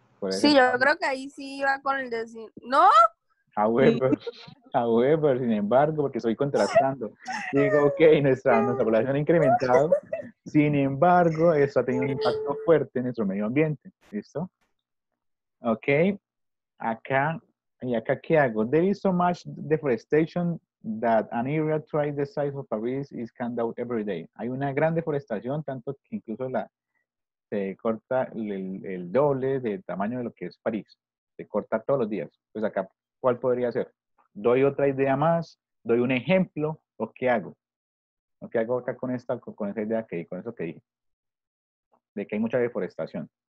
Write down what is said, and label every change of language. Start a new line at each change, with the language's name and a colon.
Spanish: Sí, yo creo que ahí sí iba con el de sin... ¡No!
English: However,
Spanish: sin embargo, porque estoy contrastando. Digo, ok, nuestra población ha incrementado. Sin embargo, eso ha tenido un impacto fuerte en nuestro medio ambiente. ¿Listo? Ok. Acá... ¿Y acá qué hago?
English: There is so much deforestation that an area twice the size of Paris is canned out every day.
Spanish: Hay una gran deforestación, tanto que incluso se corta el doble de tamaño de lo que es París. Se corta todos los días. Pues acá, ¿cuál podría ser? ¿Doy otra idea más? ¿Doy un ejemplo? ¿O qué hago? ¿O qué hago acá con esta, con esa idea que con eso que dije? De que hay mucha deforestación.